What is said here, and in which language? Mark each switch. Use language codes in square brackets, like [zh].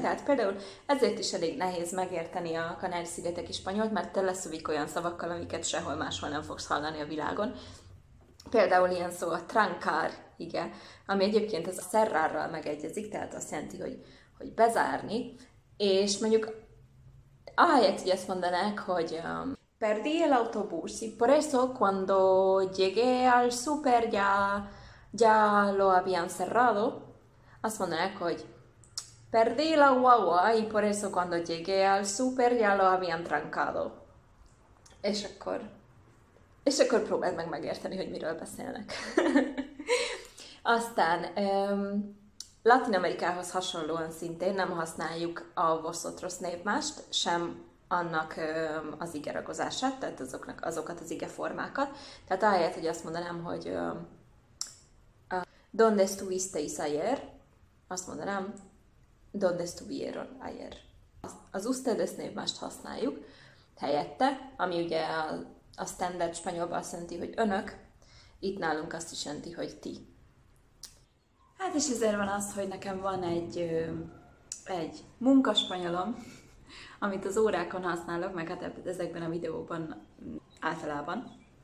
[hu] Tehát például ezért is elég nehéz megérteni a Kanári-szigeteki spanyolt, mert te leszövik olyan szavakkal, amiket sehol máshol nem fogsz hallani a világon. Például ilyen szó a trancar, igen, ami egyébként az a cerrarral megegyezik, tehát azt jelenti, hogy bezárni. És mondjuk ahelyett, hogy azt mondanák, hogy [es] perdí el autobús, y por eso cuando llegué al super ya lo habían cerrado, [hu] azt mondanák, hogy [es] perdí la guagua, y por eso cuando llegué al super ya lo habían trancado. [hu] És akkor próbáld meg megérteni, hogy miről beszélnek. Aztán Latin-Amerikához hasonlóan szintén nem használjuk a vosotros névmást, sem annak az ige ragozását, tehát azokat az ige formákat. Tehát ahelyett, hogy azt mondanám, hogy [es] ¿Dónde estuvisteis ayer? [hu] Azt mondanám, [es] ¿Dónde estuvieron ayer? [hu] Az ustedes névmást használjuk helyette, ami ugye a standard spanyolban azt jelenti, hogy önök, itt nálunk azt is jelenti, hogy ti. Hát és ezért van az, hogy nekem van egy munkaspanyolom, amit az órákon használok, meg hát ezekben a videóban általában.